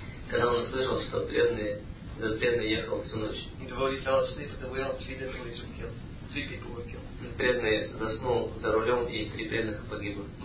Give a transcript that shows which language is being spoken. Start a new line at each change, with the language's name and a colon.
Russian: Когда он услышал, что преданный ехал всю ночь.
English: Devotee fell asleep at the wheel, three devotees were killed. Three people were killed.
Russian: Преданный заснул за рулем, и три преданных погибло.